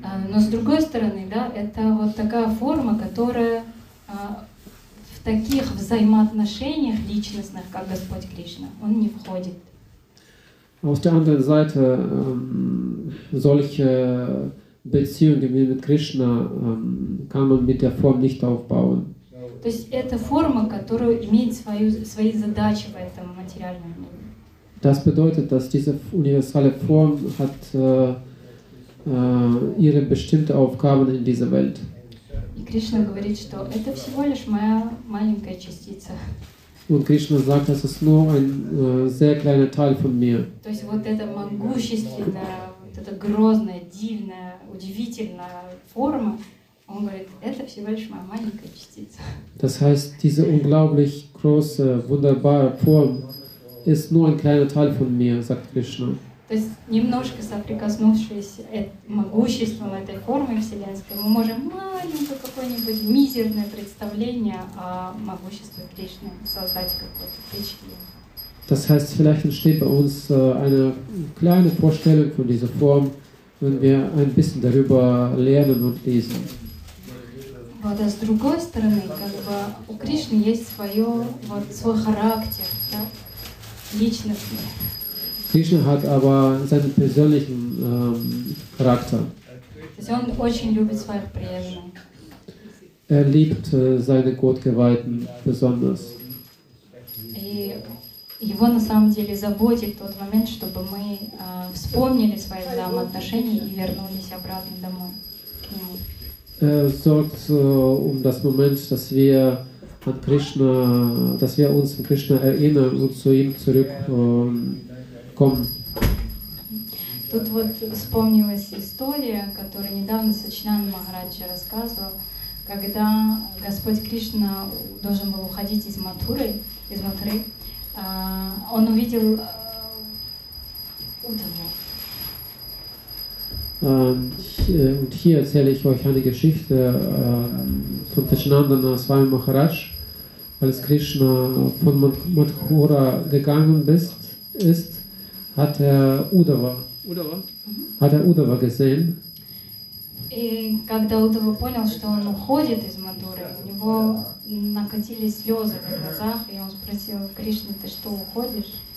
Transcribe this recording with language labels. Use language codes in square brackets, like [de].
[ru] Но с другой стороны, да, это вот такая форма, которая в таких взаимоотношениях личностных, как Господь Кришна, он не входит. [de] Auf der anderen Seite solche Beziehungen wie mit Krishna kann man mit der Form nicht aufbauen. [ru] То есть это форма, которая имеет свои задачи в этом материальном мире. [de] Das bedeutet, dass diese universelle Form hat ihre bestimmte Aufgaben in dieser Welt. [ru] Кришна говорит, что это всего лишь моя маленькая частица. [de] Und Krishna sagt, das ist nur ein sehr kleiner Teil von mir. [ru] То есть вот эта могущественная, вот эта грозная, дивная, удивительная форма, он говорит, это всего лишь моя маленькая частица. [de] Das heißt, diese unglaublich große, wunderbare Form ist nur ein kleiner Teil von mir, sagt Krishna. [ru] То есть немножко соприкоснувшись могуществом этой формы вселенской, мы можем маленькое какое-нибудь мизерное представление о могуществе Кришны создать какое-то впечатление. [de] Das heißt, vielleicht entsteht bei uns eine kleine Vorstellung von dieser Form, wenn wir ein bisschen darüber lernen und lesen. [ru] Вот, а с другой стороны, как бы у Кришны есть свое, вот, свой характер, да? Личностный. [de] Кришна hat aber seinen persönlichen Charakter. [ru] То есть он очень любит своих преданных. [de] Er liebt seine Gottgeweihten besonders. [ru] И его на самом деле заботит тот момент, чтобы мы вспомнили свои взаимоотношения и вернулись обратно домой к нему. [de] Er sorgt um das Moment, dass wir an Krishna, dass wir uns an Krishna erinnern und zu ihm zurückkommen. [ru] Тут вот вспомнилась история, которую недавно Сачинанда Махараджа рассказывал, когда Господь Кришна должен был уходить из Матуры, он увидел Удава. [de] Und hier erzähle ich euch eine Geschichte von Sachinandana Swami Maharaj, als Krishna von Mathura gegangen ist, hat er Uddhava. Uddhava? Hat er Uddhava gesehen? [ru] Когда Удава понял, что он уходит из Мадуры, у него накатились слезы в глазах, и он спросил Кришну: "Ты что уходишь?"